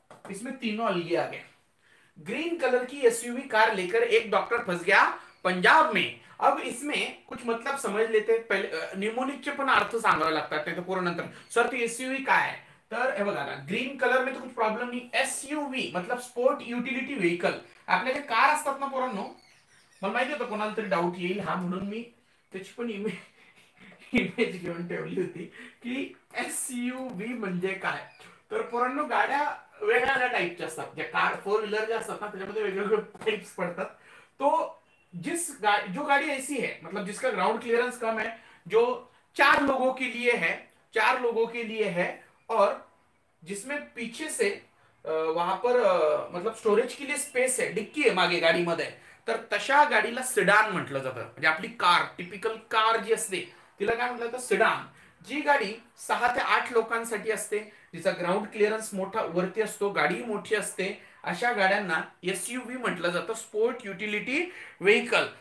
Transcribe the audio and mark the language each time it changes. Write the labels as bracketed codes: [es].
[hi] इसमें तीनों अलगी आ गए. ग्रीन कलर की एसयूवी कार लेकर एक डॉक्टर फंस गया पंजाब में. अब इसमें कुछ मतलब समझ लेते, [mr] पहले निमोनिक चे पण अर्थ सांगावा लागतात, ते पूर्ण नंतर. सर ती एसयूवी काय? तर हे बघा ना, [hi] ग्रीन कलर में तो कुछ प्रॉब्लम नहीं. एसयूवी मतलब स्पोर्ट यूटिलिटी व्हीकल. [mr] आपले जे कार असतात ना पोरांनो, मला माहिती होतं कोणाला तरी डाउट येईल, हा म्हणून मी त्याची पण इमेज घेऊन ठेवली होती की एसयूवी म्हणजे काय. तर पोरांनो गाड्या वेगळ्या टाईपच्या असतात, ज्या कार फोर व्हीलर ज्या असतात ना त्याच्यामध्ये वेगवेगळे टाईप्स पडतात. [hi] तो जिस जो गाडी ऐसी है, मतलब जिसका ग्राउंड क्लिअरन्स कम है, जो चार लोगों के लिए है, चार लोगों के लिए है, और जिसमें पीछे से वहां पर मतलब स्टोरेज के लिए स्पेस है, डिक्की है [mr] मागे गाड़ी मध्ये, तर तशा गाडीला सिडान म्हटलं जातं. म्हणजे आपली कार, टिपिकल कार जी असते तिला काय म्हटलं जातं, सिडान. जी गाडी 6 ते 8 लोकांसाठी असते, जिचा ग्राउंड क्लिअरन्स मोठा वरती असतो, गाडी मोठी असते, अशा गाड्यांना SUV म्हटलं जातं, स्पोर्ट युटिलिटी व्हेइकल.